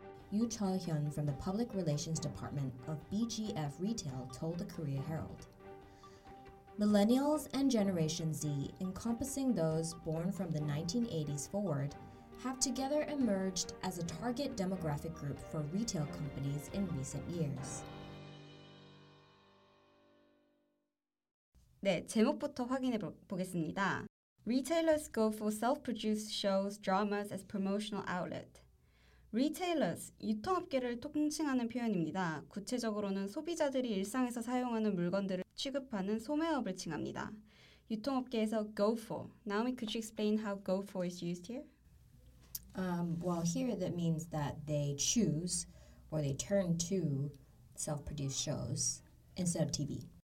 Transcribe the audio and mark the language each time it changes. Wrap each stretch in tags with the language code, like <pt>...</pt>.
<en>Yoo Cheol-hyun from the Public Relations Department of BGF Retail told the Korea Herald. Millennials and Generation Z, encompassing those born from the 1980s forward, have together emerged as a target demographic group for retail companies in recent years.</en> <ko>네, 제목부터 확인해 보겠습니다.</ko> <en>Retailers go for self-produced shows, dramas as promotional outlet.</en> <ko>Retailers, 유통업계를 통칭하는 표현입니다. 구체적으로는 소비자들이 일상에서 사용하는 물건들을 취급하는 소매업을 칭합니다. 유통업계에서 go for.</ko> <en>Naomi, could you explain how go for is used here? Well, here that means that they choose or they turn to self-produced shows instead of TV.</en>